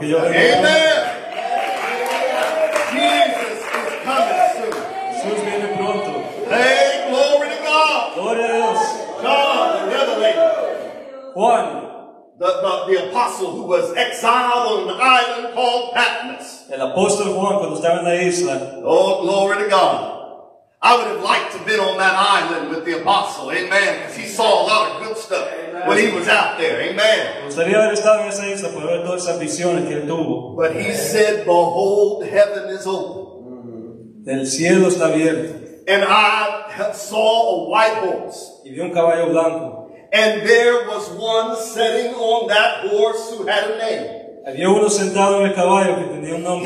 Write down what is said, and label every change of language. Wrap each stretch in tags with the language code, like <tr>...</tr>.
<en>Jesus is coming soon.</en> <es>Jesús viene pronto.</es> <en>Hey, glory to God. Glory to Dios. John, the revelator.</en> <es>Juan.</es> <en>The apostle who was exiled on an island called Patmos.</en> <es>El apóstol Juan cuando estaba en la isla.</es> <en>Oh, glory to God. I would have liked to have been on that island with the apostle, amen, because he saw a lot of good stuff, amen, when he was out there, amen. But he said, behold, heaven is open.</en> <es>El cielo está abierto.</es> <en>And I saw a white horse.</en> <es>Y vi un caballo blanco.</es> <en>And there was one sitting on that horse who had a name.</en> <es>Había uno sentado en el caballo que tenía un nombre.</es>